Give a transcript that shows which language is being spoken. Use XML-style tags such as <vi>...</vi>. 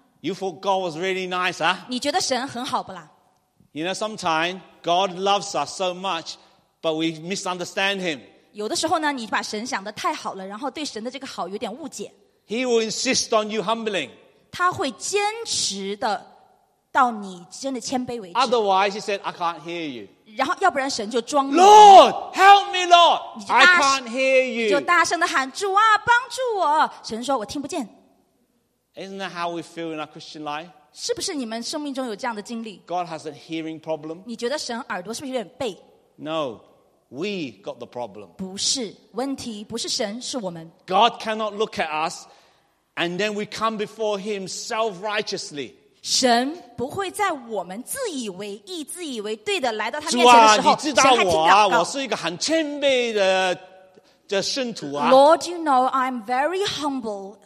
<en>You thought God was really nice, huh?</en> <zh>你觉得神很好不啦？</zh> <en>You know, sometimes God loves us so much, but we misunderstand him.</en> <zh>有的时候呢，你把神想得太好了，然后对神的这个好有点误解。</zh> <en>He will insist on you humbling.</en> <zh>他会坚持的到你真的谦卑为止。</zh> <en>Otherwise, he said, I can't hear you.</en> <zh>然后要不然神就装。</zh> <en>Lord, help me, Lord. I can't hear you.</en> <zh>你就大声的喊主啊，帮助我。神说我听不见。</zh> <en>Isn't that how we feel in our Christian life?</en> <zh>是不是你们生命中有这样的经历？</zh> <en>God has a hearing problem.</en> <zh>你觉得神耳朵是不是有点背？</zh> <en>No. We got the problem.</en> <zh>不是，问题不是神，是我们。</zh> <en>God cannot look at us, and then we come before Him self-righteously.</en> <zh>神不会在我们自以为意、自以为对的来到他面前的时候，主啊，你知道我啊，我是一个很谦卑的圣徒啊。</zh> <en>Lord, you know I'm very humble.</en>